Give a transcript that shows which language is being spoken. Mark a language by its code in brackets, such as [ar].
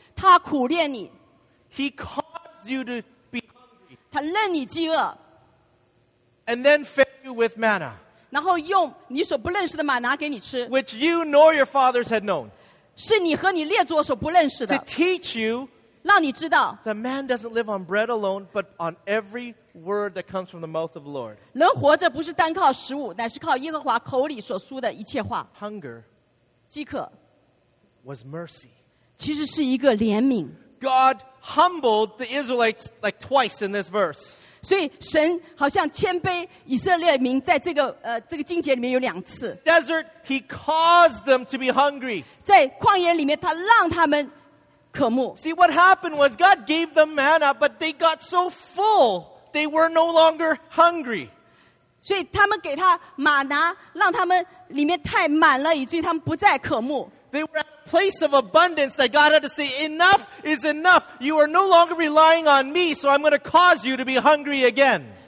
[zh] 他苦练你, [en] He caused you to be hungry. [zh] 他任你饥饿, [en] and then fed you with manna. [zh] 然后用你所不认识的玛拿给你吃, [en] which you nor your fathers had known. [zh] 是你和你列祖所不认识的, [en] to teach you [zh] 让你知道, [en] that man doesn't live on bread alone, but on every word that comes from the mouth of the Lord. [zh] 人活着不是单靠食物, [en] hunger [zh] 饥渴, [en] was mercy. [zh] 其实是一个怜悯, [en] God humbled the Israelites like twice in this verse. [zh] 所以神好像谦卑以色列民在这个经节里面有两次。 [en] Desert, he caused them to be hungry. [zh] 在旷野里面他让他们渴慕。 [en] See, what happened was God gave them manna, but they got so full, they were no longer hungry. [zh] 所以他们给他玛拿，让他们里面太满了，以至于他们不再渴慕。 [en] They were at a place of abundance that God had to say, enough is enough. You are no longer relying on me, so I'm going to cause you to be hungry again.